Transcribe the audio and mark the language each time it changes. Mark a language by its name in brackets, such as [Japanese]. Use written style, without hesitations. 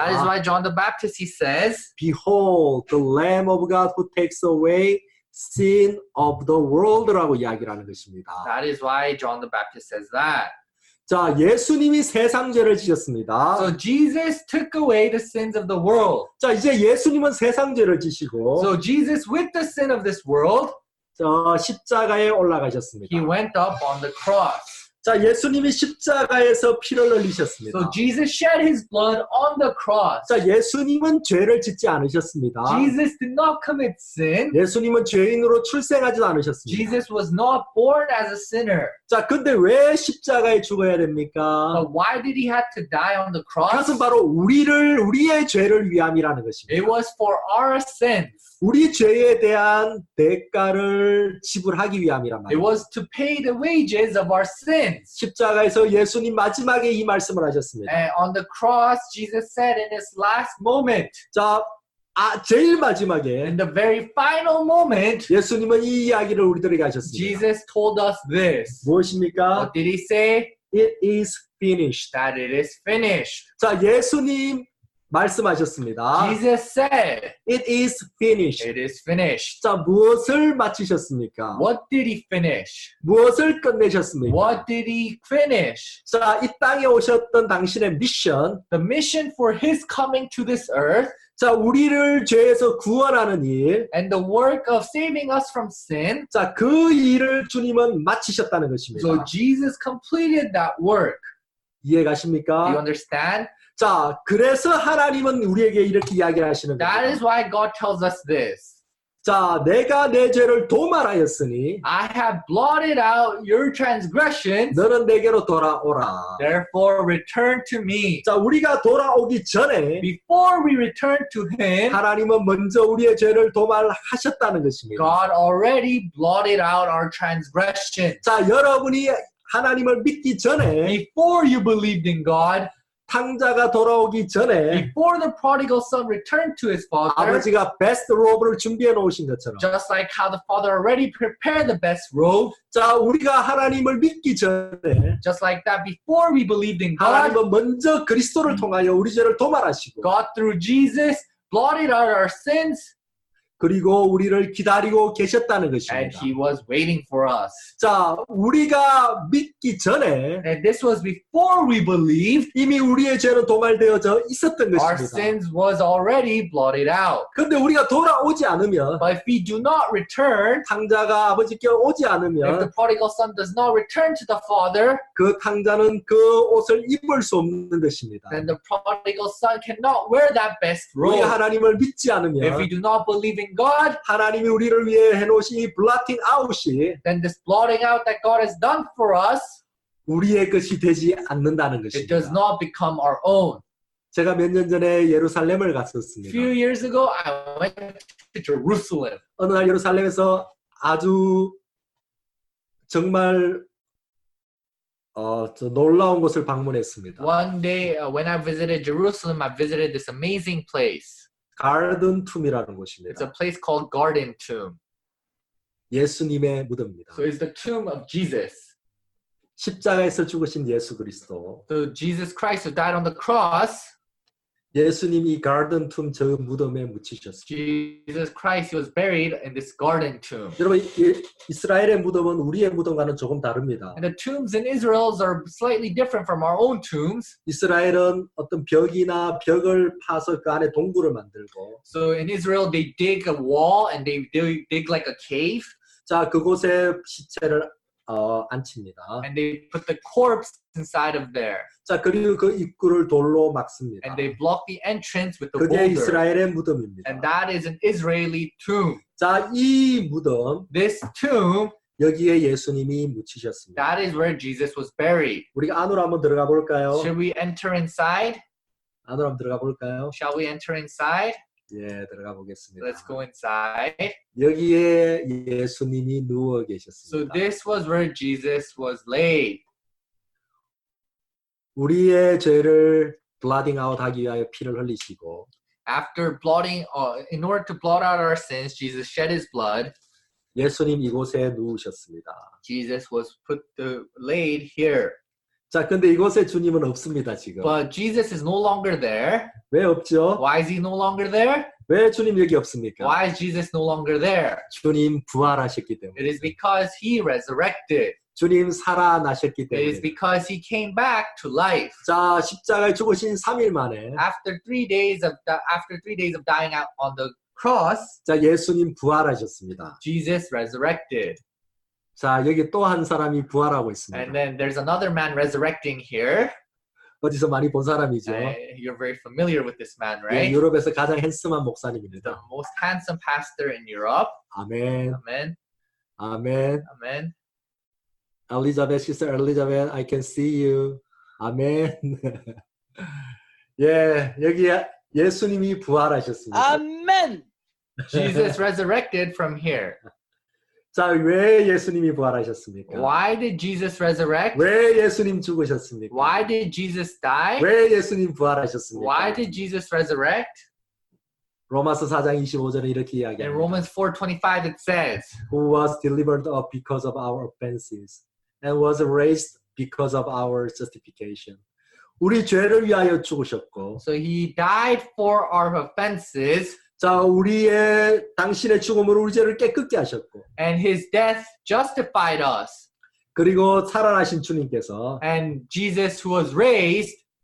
[English] That is why John the Baptist he says Behold the Lamb of God who takes away sin of the world [Korean] 라고 이야기하는 것입니다. [English] That is why John the Baptist says that. [Korean] 자, 예수님이 세상 죄를 지셨습니다. [English] So Jesus took away the sins of the world. [Korean] 자, 이제 예수님은 세상 죄를 지시고 [English] So Jesus with the sin of this world [Korean] 십자가에 올라가셨습니다. [English] He went up on the cross. [Korean] 자, 예수님이 십자가에서 피를 흘리셨습니다. [English] So Jesus shed his blood on the cross. [Korean] 자, 예수님은 죄를 짓지 않으셨습니다. [English] Jesus did not commit sin. [Korean] 예수님은 죄인으로 출생하지 않으셨습니다. [English] Jesus was not born as a sinner. [Korean] 자, 근데 왜 십자가에 죽어야 됩니까? [English] But why did he have to die on the cross? [Korean] 그것은 바로 우리의 죄를 위함이라는 것입니다. [English] It was for our sins. [Korean] 우리 죄에 대한 대가를 지불하기 위함이란 말이에요. [English] It was to pay the wages of our sins. [Korean] 십자가에서 예수님 마지막에 이 말씀을 하셨습니다. [English] And on the cross, Jesus said in his last moment. [Korean] 자, 제일 마지막에 [English] In the very final moment, [Korean] 예수님은 이 이야기를 우리들에게 하셨습니다. [English] Jesus told us this. [Korean] 무엇입니까? [English] What did he say? It is finished. That it is finished. [Korean] 자, 예수님 말씀하셨습니다. [English] Jesus said, "It is finished." It is finished. [Korean] 자, 무엇을 마치셨습니까? [English] What did he finish? [Korean] 무엇을 끝내셨습니까? [English] What did he finish? [Korean] 자, 이 땅에 오셨던 당신의 미션, [English] the mission for his coming to this earth. [Korean] 자, 우리를 죄에서 구원하는 일, [English] and the work of saving us from sin. [Korean] 자, 그 일을 주님은 마치셨다는 것입니다. [English] So Jesus completed that work. [Korean] 이해가십니까? [English] Do you understand? [Korean] 자, 그래서 하나님은 우리에게 이렇게 이야기를 하시는 거예요. [English] That is why God tells us this. [Korean] 자, 내가 내 죄를 도말하였으니 [English] I have blotted out your transgressions. [Korean] 너는 내게로 돌아오라. [English] Therefore return to me. [Korean] 자, 우리가 돌아오기 전에 [English] Before we return to him. [Korean] 하나님은 먼저 우리의 죄를 도말하셨다는 것입니다. [English] God already blotted out our transgressions. [Korean] 자, 여러분이 하나님을 믿기 전에 [English] Before you believed in God. [Korean] 탕자가 돌아오기 전에 [English] Before the prodigal son returned to his father [Korean] 아버지가 best robe를 준비해 놓으신 것처럼 [English] Just like how the father already prepared the best robe [Korean] 자, 우리가 하나님을 믿기 전에 [English] Just like that before we believed in God [Korean] 하나님은 먼저 그리스도를 통하여 우리 죄를 도말하시고 [English] God through Jesus blotted out our sins. [Korean] 그리고 우리를 기다리고 계셨다는 것입니다. [English] And he was waiting for us. [Korean] 자, 우리가 믿기 전에 [English] And this was before we believed. [Korean] 이미 우리의 죄는 도말되어져 있었던 것입니다. [English] Our sins was already blotted out. [Korean] 근데 우리가 돌아오지 않으면 [English] But if we do not return, [Korean] 탕자가 아버지께 오지 않으면 [English] If the prodigal son does not return to the father, [Korean] 그 탕자는 그 옷을 입을 수 없는 것입니다. [English] Then the prodigal son cannot wear that best robe. [Korean] 우리가 하나님을 믿지 않으면 [English] If we do not believe God, [Korean] 하나님이 우리를 위해 해놓으신 이 blotting out이 [English] then this blotting out that God has done for us [Korean] 우리의 것이 되지 않는다는 것입니다. [English] It does not become our own. [Korean] 제가 몇 년 전에 예루살렘을 갔었습니다. [English] Few years ago, I went to Jerusalem. [Korean] 어느 날 예루살렘에서 아주 정말 놀라운 곳을 방문했습니다. [English] One day, when I visited Jerusalem, I visited this amazing place. [Korean] Garden Tomb이라는 곳입니다. [English] It's a place called Garden Tomb. [Korean] 예수님의 무덤입니다. [English] So it's the tomb of Jesus. [Korean] 십자가에서 죽으신 예수 그리스도. [English] So Jesus Christ who died on the cross. [Korean] 예수님이 Garden Tomb 저 무덤에 묻히셨습니다. [English] Jesus Christ was buried in this Garden Tomb. [Korean] 여러분 이스라엘의 무덤은 우리의 무덤과는 조금 다릅니다. [English] And the tombs in Israel are slightly different from our own tombs. [Korean] 이스라엘은 어떤 벽이나 벽을 파서 그 안에 동굴을 만들고 [English] So in Israel they dig a wall and they dig like a cave. [Korean] 자 그곳에 시체를 앉힙니다. [English] And they put the corpse inside of there. [Korean] 자, 그리고 그 입구를 돌로 막습니다. [English] And they block the entrance with the [Korean] 그게 [English] boulder. [Korean] 그게 이스라엘의 무덤입니다. [English] And that is an Israeli tomb. [Korean] 자, 이 무덤, [English] this tomb, [Korean] 여기에 예수님이 묻히셨습니다. [English] That is where Jesus was buried. [Korean] 우리가 안으로 한번 들어가 볼까요? [English] Should we enter inside? [Korean] 안으로 한번 들어가 볼까요? [English] Shall we enter inside? [Korean] 예, 들어가 보겠습니다. [English] Let's go inside. [Korean] 여기에 예수님이 누워 계셨습니다. [English] So this was where Jesus was laid. [Korean] 우리의 죄를 blotting out 하기 위하여 피를 흘리시고 [English] After blotting in order to blot out our sins, Jesus shed his blood. [Korean] 예수님 이곳에 누우셨습니다. [English] Jesus was put to laid here. [Korean] 자, 근데 이곳에 주님은 없습니다, 지금. [English] But Jesus is no longer there. [Korean] 왜 없죠? [English] Why is he no longer there? [Korean] 왜 주님 여기 없습니까? [English] Why is Jesus no longer there? [Korean] 주님 부활하셨기 때문에. [English] It is because he resurrected. [Korean] 주님 살아나셨기 때문에. [English] It is because he came back to life. [Korean] 자, 십자가에 죽으신 3일 만에 [English] after three days of dying out on the cross, [Korean] 자, 예수님 부활하셨습니다. [English] Jesus resurrected. [Korean] 자, 여기 또 한 사람이 부활하고 있습니다. [English] And then there's another man resurrecting here. [Korean] 어디서 많이 본 사람이죠? [English] You're very familiar with this man, right? [Korean] 예, 유럽에서 가장 핸섬한 목사님입니다. [English] The most handsome pastor in Europe. [Korean] 아멘. 아멘. 아멘. 아멘. [English] Elizabeth, Sister Elizabeth, I can see you. [Korean] 아멘. 예, 여기 예수님이 부활하셨습니다. 아멘. [English] Jesus resurrected from here. [Korean] 자, 왜 예수님이 부활하셨습니까? [English] Why did Jesus resurrect? [Korean] 왜 예수님 죽으셨습니까? [English] Why did Jesus die? [Korean] 왜 예수님 부활하셨습니까? [English] Why did Jesus resurrect? [Korean] 로마서 4장 25절에 이렇게 이야기합니다. [English] In Romans 4:25 it says, Who was delivered up because of our offenses and was raised because of our justification. [Korean] 우리 죄를 위하여 죽으셨고 [English] So he died for our offenses. [Korean] 자 우리의 당신의 죽음으로 우리 죄를 깨끗게 하셨고 [English] and his death justified us [Korean] 그리고 살아나신 주님께서 [English] and Jesus who was raised